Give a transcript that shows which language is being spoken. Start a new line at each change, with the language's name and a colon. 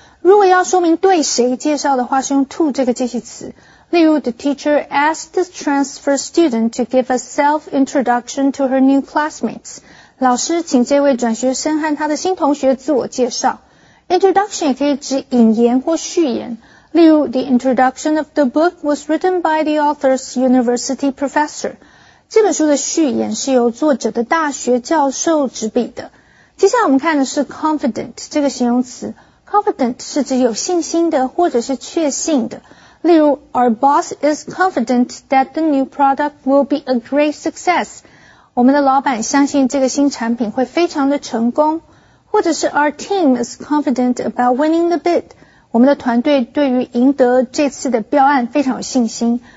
Chinese: 如果要说明对谁介绍的话是用 to 这个介系词。例如
English: ,the teacher asked the transfer student to give a self-introduction to her new classmates.
Chinese: 老师请这位转学生和他的新同学自我介绍。 Introduction 也可以指引言或序言。例如
English: ,the introduction of the book was written by the author's university professor.
Chinese: 这本书的序言是由作者的大学教授执笔的。接下来我们看的是 confident 这个形容词。Confident 是指有信心的或者是确信的。例如
English: ,our boss is confident that the new product will be a great success.
Chinese: 我们的老板相信这个新产品会非常的成功。或者是
English: our team is confident about winning the bid.
Chinese: 我们的团队对于赢得这次的标案非常有信心。